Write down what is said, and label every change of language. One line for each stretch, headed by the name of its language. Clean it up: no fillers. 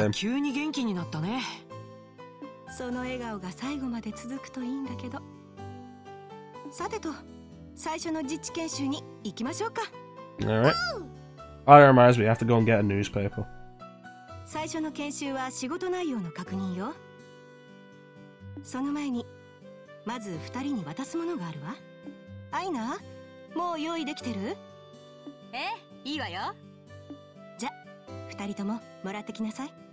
Japanese: なんだか急に元気になったね。その笑顔が最後まで続くといいんだけど。さてと、最初の実地研修に行きましょうか。
English: Alright. Oh, that reminds me, I have to go and get a newspaper.
Japanese: 最初の研修は仕事内容の確認よ。その前に、まず二人に渡すものがあるわ。アイナ、もう用意できてる？ええ、いいわよ。じゃ、二人とももらってきなさい。